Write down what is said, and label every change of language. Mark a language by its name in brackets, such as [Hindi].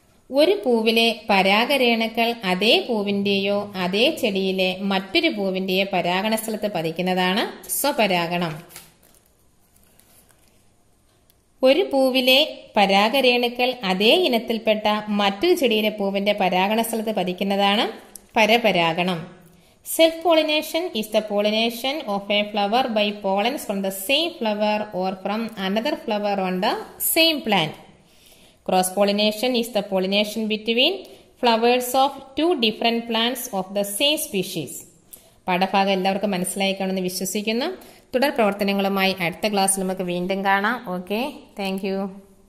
[Malayalam] ഒരു പൂവിലെ പരാഗരേണുക്കൾ അതേ പൂവിന്റെയോ അതേ ചെടിയിലെ മറ്റൊരു പൂവിന്റെയോ പരാഗണ സ്ഥലത്ത് പതിക്കുന്നതാണ് സ്വപരാഗണം. ഒരു പൂവിലെ പരാഗരേണുക്കൾ അതേ ഇനത്തിൽപ്പെട്ട മറ്റൊരു ചെടിയിലെ പൂവിന്റെ പരാഗണ സ്ഥലത്ത് പതിക്കുന്നതാണ് പരപരാഗണം. [English] Self pollination is the pollination of a flower by pollens from the same flower or from another flower on the same plant. Cross pollination is the pollination between flowers of two different plants of the same species. [Malayalam] പാഠഭാഗം എല്ലാവർക്കും മനസ്സിലായി കാണുമെന്ന് വിശ്വസിക്കുന്നു. തുടർ പ്രവർത്തനങ്ങളുമായി അടുത്ത ക്ലാസ്സിൽ നമുക്ക് വീണ്ടും കാണാം. [English] Okay, thank you.